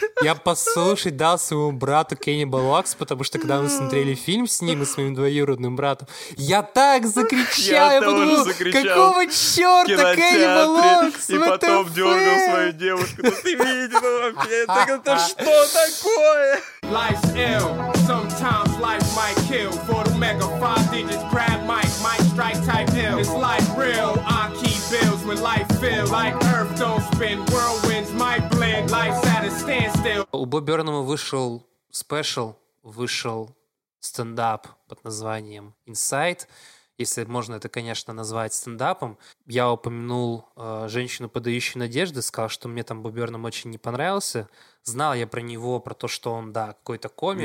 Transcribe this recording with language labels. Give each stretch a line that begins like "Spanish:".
Russian: Я послушать дал своему брату Кеннибал Локс, потому что когда мы смотрели фильм с ним и с моим двоюродным братом, я так закричал, я подумал, какого черта Кеннибал Локс? И потом дернул свою девушку. Ну ты видел вообще, так это что такое?
English: Life's ill, sometimes life might kill. For the mega five digits, grab mic, might strike type deal. It's life real, I keep bills when life feel like earth don't spin. Whirlwinds might blend, life's at a standstill.
Russian: У Бо Бёрнама вышел спешл, вышел стендап под названием Inside. Если можно это, конечно, назвать стендапом. Я упомянул «Женщину, подающую надежды», сказал, что мне там Бо Бёрнам очень не понравился. Знал я про него, про то, что он, да, какой-то комик.